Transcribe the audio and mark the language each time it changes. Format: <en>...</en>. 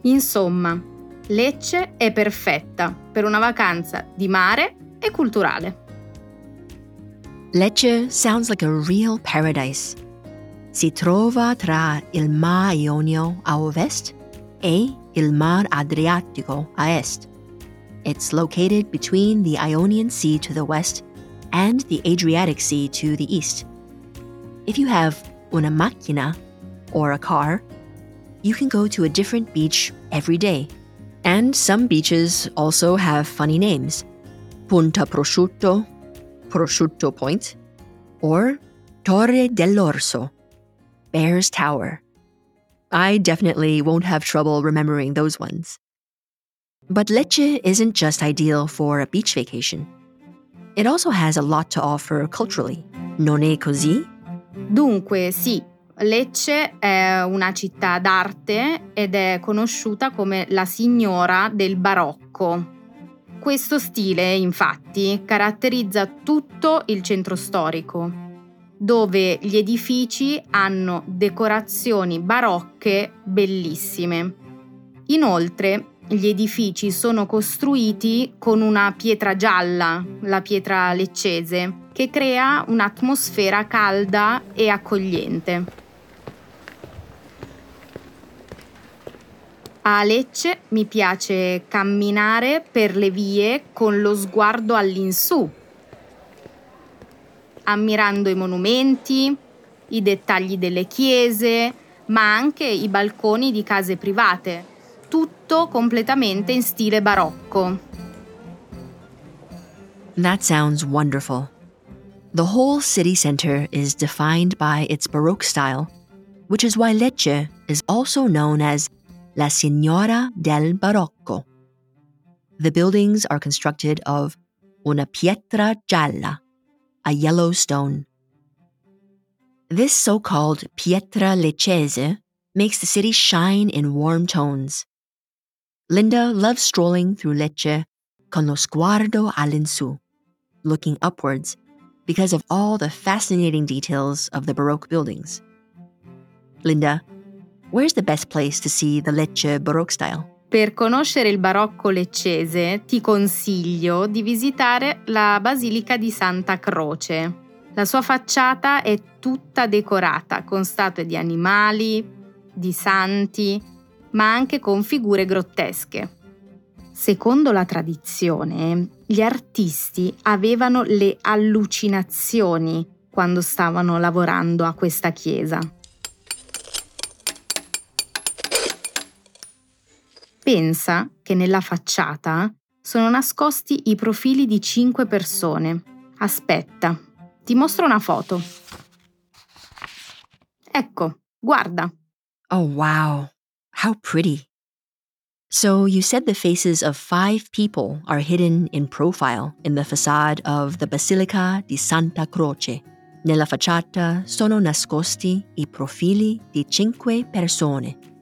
<it>Insomma, Lecce è perfetta per una vacanza di mare e culturale.</it> <en>Lecce sounds like a real paradise.</en> <it>Si trova tra il Mar Ionio a ovest e il Mar Adriatico a est.</it> <en>It's located between the Ionian Sea to the west and the Adriatic Sea to the east. If you have</en> <it>una macchina</it> <en>or a car, you can go to a different beach every day. And some beaches also have funny names. Punta Prosciutto, Prosciutto Point, or Torre dell'Orso, Bear's Tower. I definitely won't have trouble remembering those ones. But Lecce isn't just ideal for a beach vacation. It also has a lot to offer culturally.</en> <it>Non è così? Dunque, sì, Lecce è una città d'arte ed è conosciuta come la signora del barocco. Questo stile, infatti, caratterizza tutto il centro storico, dove gli edifici hanno decorazioni barocche bellissime. Inoltre, gli edifici sono costruiti con una pietra gialla, la pietra leccese, che crea un'atmosfera calda e accogliente. A Lecce mi piace camminare per le vie con lo sguardo all'insù, ammirando i monumenti, i dettagli delle chiese, ma anche i balconi di case private, tutto completamente in stile barocco.</it> <en>That sounds wonderful. The whole city center is defined by its Baroque style, which is why Lecce is also known as</en> <it>La Signora del Barocco.</it> <en>The buildings are constructed of</en> <it>una pietra gialla,</it> <en>a yellow stone. This so-called pietra leccese makes the city shine in warm tones. Linda loves strolling through Lecce</en> <it>con lo sguardo all'insù,</it> <en>looking upwards, because of all the fascinating details of the Baroque buildings. Linda, where's the best place to see the Lecce Baroque style?</en> <it>Per conoscere il barocco leccese, ti consiglio di visitare la Basilica di Santa Croce. La sua facciata è tutta decorata con statue di animali, di santi, ma anche con figure grottesche. Secondo la tradizione, gli artisti avevano le allucinazioni quando stavano lavorando a questa chiesa. Pensa che nella facciata sono nascosti i profili di 5 persone. Aspetta, ti mostro una foto. Ecco, guarda.</it> <en>Oh wow, how pretty. So you said the faces of 5 people are hidden in profile in the facade of the Basilica di Santa Croce.</en> <it>Nella facciata sono nascosti i profili di 5 persone.</it>